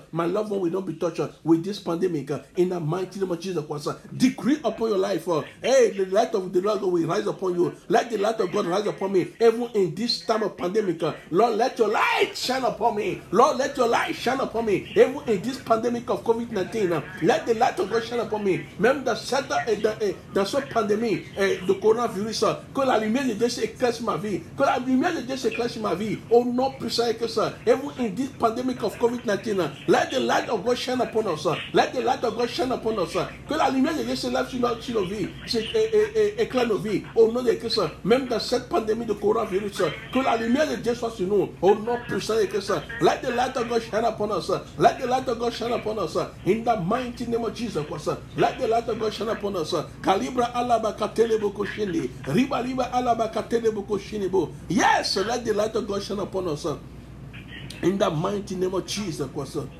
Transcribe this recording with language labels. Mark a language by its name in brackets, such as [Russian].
[English] My loved one will not be touched with this pandemic. In the mighty name of Jesus Christ. Decree upon your life. Hey, the light of the Lord will rise upon you. Let the light of God rise upon me. Even in this time of pandemic, Lord, let your light shine upon me. Lord, let your light shine upon me. Even in this pandemic of COVID-19, let the light of God shine upon me. [French] Même dans cette pandémie de coronavirus, que la lumière de Dieu s'éclaire sur ma vie. Que la lumière de Dieu s'éclaire sur ma vie. Au nom puissant que ça. [English] Even in this pandemic of COVID-19, let the light of God shine upon us. Let the light of God shine upon us. [French] Que la lumière de Dieu s'éclaire sur nos vies. Éclaire nos vies. Au nom de Christ. Même dans cette pandémie de coronavirus, que la lumière de Dieu soit sur nous. Au nom puissant de Christ. [English] Let the light of God shine upon us. Let the light of God shine upon us. In the mighty name of Jesus. Let the light of God shine upon us. Kalibra alaba katelebo koshini. Riba riba alaba katelebo koshini bo. Yes, let the light of God shine upon us. In the mighty name of Jesus.